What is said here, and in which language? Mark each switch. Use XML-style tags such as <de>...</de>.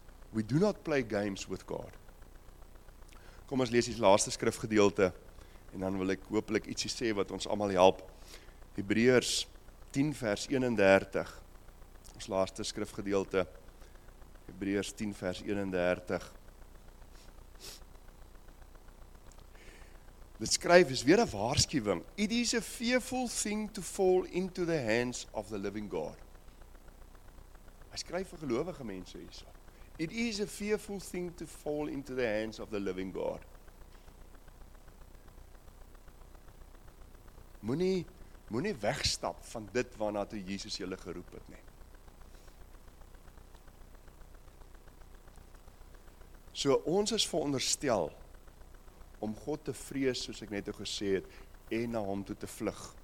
<en>We do not play games with God.</en> <af>Kom ons lees die laaste skrifgedeelte en dan wil ek hopelik ietsie sê wat ons allemaal help. Hebreërs 10 vers 31, ons laaste skrifgedeelte. Hebreërs 10 vers 31. Dit skryf is weer 'n waarskuwing.</af> <en>It is a fearful thing to fall into the hands of the living God.</en> <af>Hy skryf vir gelowige mense hierso.</af> <en>It is a fearful thing to fall into the hands of the living God.</en> <af>Moenie wegstap van dit waarna toe Jesus julle geroep het nie. So ons is veronderstel om God te vrees, soos ek net al gesê het, en na hom toe te vlug.</af>